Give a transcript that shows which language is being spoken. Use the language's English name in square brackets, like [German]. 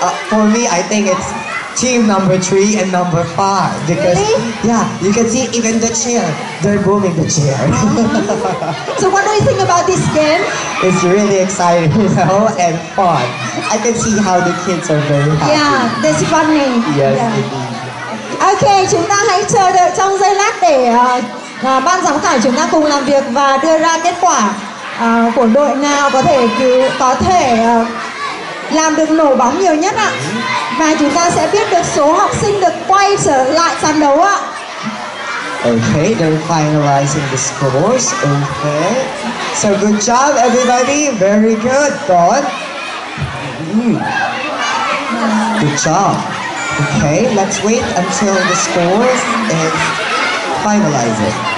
[English] For me, I think it's team number 3 and number 5. Because, really? Yeah, you can see even the chair. They're moving the chair. So what do you think about this game? It's really exciting, you know, and fun. I can see how the kids are very happy. Yeah, that's funny. Yes, yeah. [Vietnamese] Ok, chúng ta hãy chờ đợi trong giây lát để ban giám khảo chúng ta cùng làm việc và đưa ra kết quả của đội nào có thể làm được nổ bóng nhiều nhất ạ. Và chúng ta sẽ biết được số học sinh được quay trở lại trận đấu ạ. [English] Ok, they're finalizing the scores. Ok, so good job everybody, very good, Don. Good job. Okay, let's wait until the scores is finalized.